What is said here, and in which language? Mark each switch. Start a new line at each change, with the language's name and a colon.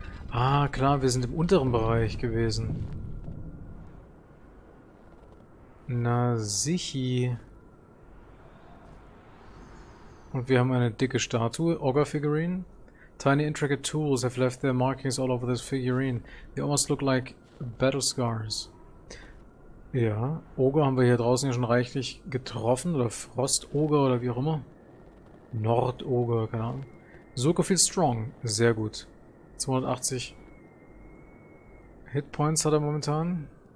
German: Ah, klar, wir sind im unteren Bereich gewesen. Na, sichi. Und wir haben eine dicke Statue, Ogre Figurine.
English: Tiny intricate tools have left their markings all over this figurine. They almost look like battle scars.
German: Ja, Ogre haben wir hier draußen ja schon reichlich getroffen. Oder Frost-Ogre oder wie auch immer. Nord-Ogre, keine Ahnung.
English: Zuko feels strong.
German: Sehr gut. 280 Hitpoints hat er momentan.